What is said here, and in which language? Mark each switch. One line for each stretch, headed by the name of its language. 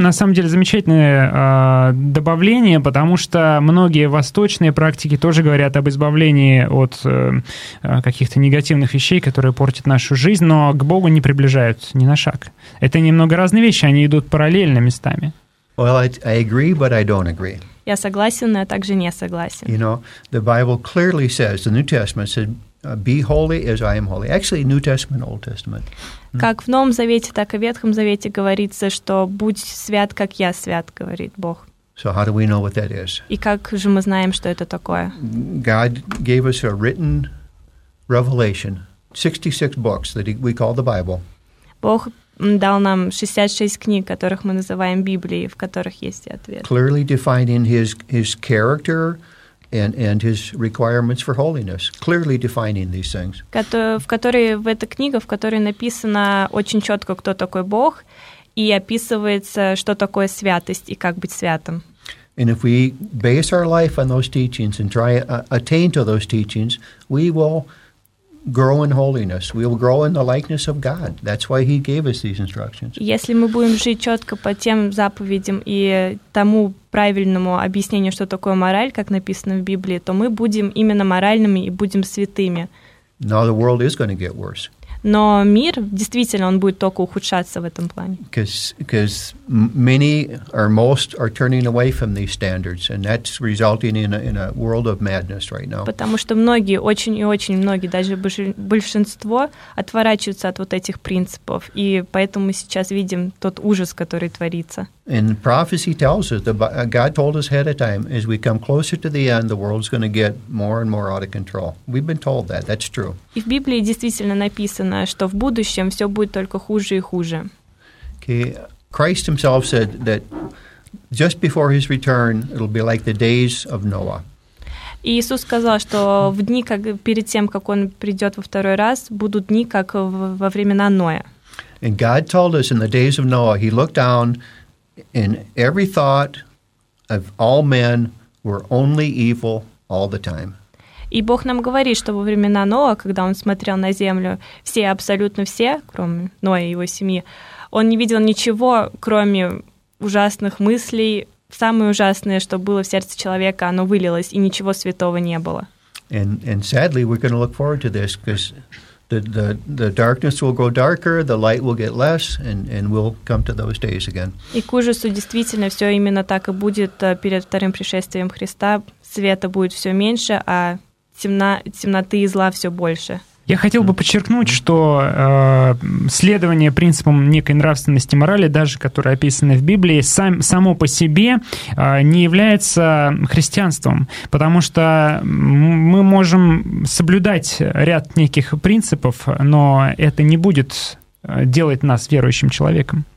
Russian: На самом деле замечательное добавление, потому что многие восточные практики тоже говорят об избавлении от каких-то негативных вещей, которые портят нашу жизнь, но к Богу не приближают ни на шаг. Это немного разные вещи, они идут параллельно местами.
English: Well, I agree, but I don't agree.
Russian: Я согласен, но я также не согласен.
English: You know, the Bible clearly says, the New Testament said, be holy as I am holy. Actually, New Testament, Old Testament.
Russian: Как в Новом Завете, так и в Ветхом Завете говорится, что будь свят, как я свят, говорит Бог.
English: So how do we know what that is?
Russian: И как же мы знаем, что это такое?
English: God gave us a written revelation, 66 books that we call the Bible.
Russian: Бог дал нам 66 книг, которых мы называем Библией, в которых есть и ответ.
English: Clearly defining his character and his requirements for holiness, clearly defining these things.
Russian: В которой написано очень четко, кто такой Бог, и описывается, что такое святость и как быть святым.
English: And if we base our life on those teachings and try attain to those teachings, we will grow in holiness. We will grow in the likeness of God. That's why he gave us these instructions.
Russian: Если мы будем жить четко по тем заповедям и тому правильному объяснению, что такое мораль, как написано в Библии, то мы будем именно моральными и будем святыми.
English: Now the world is going to get worse.
Russian: Но мир, действительно, он будет только ухудшаться в этом плане.
English: Because many or most are turning away from these standards, and that's resulting in a world of madness right now.
Russian: Потому что многие, очень и очень многие, даже большинство, отворачиваются от вот этих принципов, и поэтому мы сейчас видим тот ужас, который творится.
English: And prophecy tells us that God told us ahead of time, as we come closer to the end, the world's going to get more and more out of control. We've been told that. That's true.
Russian: И в Библии действительно написано, что в будущем все будет только хуже и хуже.
English: Okay. Christ himself said that just before his return, it'll be like the days of Noah.
Russian: Иисус сказал, что в дни, как перед тем, как он придет во второй раз, будут дни, как во времена Ноя.
English: And God told us in the days of Noah, he looked down, and every thought of all men were only evil all the time.
Russian: И Бог нам говорит, что во времена Ноа, когда он смотрел на землю, все, абсолютно все, кроме Ноя и его семьи, он не видел ничего, кроме ужасных мыслей. Самое ужасное, что было в сердце человека, оно вылилось, и ничего святого не было.
English: And sadly, we're going to look forward to this because the darkness will grow darker, the light will get less, and we'll come to those days again.
Russian: И к ужасу действительно все именно так и будет перед вторым пришествием Христа. Света будет все меньше, а темноты и зла все больше. Я хотел бы подчеркнуть, что следование принципам некой нравственности морали, даже которые описаны в Библии, само по себе не является христианством, потому что мы можем соблюдать ряд неких принципов, но это не будет делать нас верующим человеком.